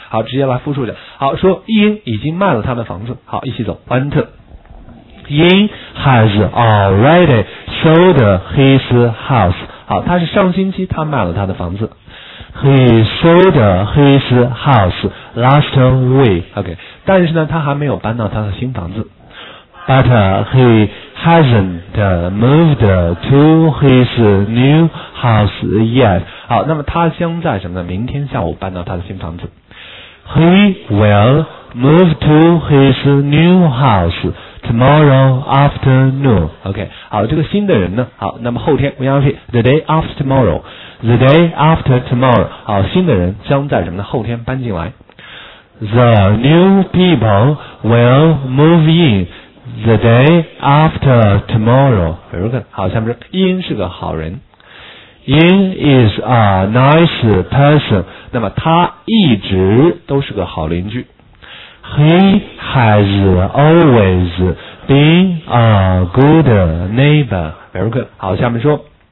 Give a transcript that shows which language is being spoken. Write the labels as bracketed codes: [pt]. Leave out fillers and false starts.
[zh] 好，直接来复述一下。好，说 Ian 已经卖了他的房子。好，一起走。 [en] One, two. Ian has already sold his house. [zh] 好，他是上星期他卖了他的房子。 [en] He sold his house last week. [zh] OK， 但是呢，他还没有搬到他的新房子。 [en] But he hasn't moved to his new house yet. [zh] 好，那么他将在什么呢？明天下午搬到他的新房子。 [en] He will move to his new house tomorrow afternoon. [zh] OK， 好，这个新的人呢？好，那么后天 ， [en] we are the day after tomorrow。 The day after tomorrow， [zh] 好，新的人将在什么呢？后天搬进来。 [en] The new people will move in the day after tomorrow. Very good. [zh] 好，下面是 In 是个好人。 [en] In is a nice person. [zh] 那么他一直都是个好邻居。 [en] He has always been a good neighbor. Very good. [zh] 好，下面说。